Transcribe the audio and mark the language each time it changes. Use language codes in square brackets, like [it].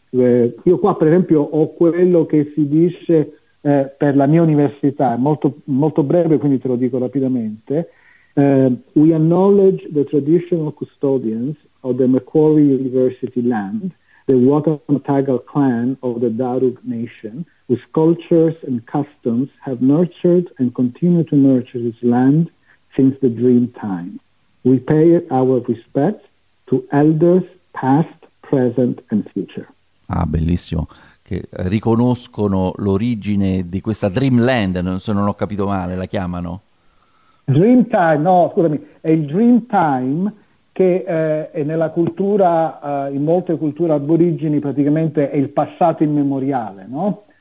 [it] Io qua, per esempio, ho quello che si dice per la mia università, è molto, molto breve, quindi te lo dico rapidamente. [en] We acknowledge the traditional custodians of the Macquarie University land, the Wurundjeri clan of the Darug nation, whose cultures and customs have nurtured and continue to nurture this land since the dream time. We pay our respects to elders past, present and future. [it] Ah, bellissimo, che riconoscono l'origine di questa Dreamland, se non ho capito male, la chiamano? Dreamtime, no, scusami, è il Dreamtime che è nella cultura, in molte culture aborigeni praticamente è il passato immemoriale, no?